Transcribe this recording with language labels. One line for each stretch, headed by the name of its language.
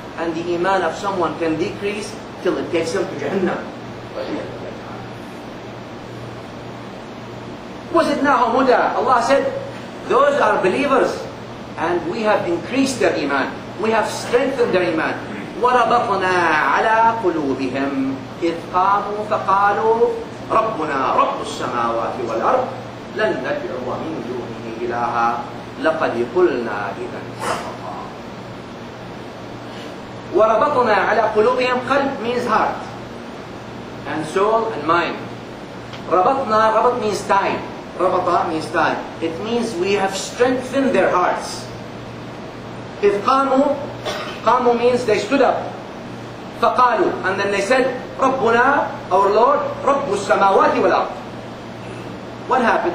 English: And the iman of someone can decrease till it takes him to Jannah. وَزِدْنَاهُمْ هُدَىٰ Allah said, those are believers. And we have increased their iman. We have strengthened their iman.
Arabic: وَرَبَطْنَا عَلَىٰ قُلُوبِهِمْ إِذْ قَامُوا فَقَالُوا رَبُّنَا رَبُّ السَّمَاوَاتِ وَالْأَرْضِ لَنْ نَدْعُوَ مِنْ دُونِهِ إِلَهَا لَقَدْ قُلْنَا إِذًا شَطَطًا وَرَبَطْنَا عَلَىٰ قُلُوبِهِمْ قَلْب means heart and soul and mind.
English: رَبَطْنَا رَبَط means tied. رَبَطَ means tied. It means we have strengthened their hearts. إِذْ قَامُوا قَامُوا means they stood up. فَقَالُوا And then they said, رَبُّنَا Our Lord, رَبُّ السَّمَاوَاتِ وَالْأَرْضِ What happened?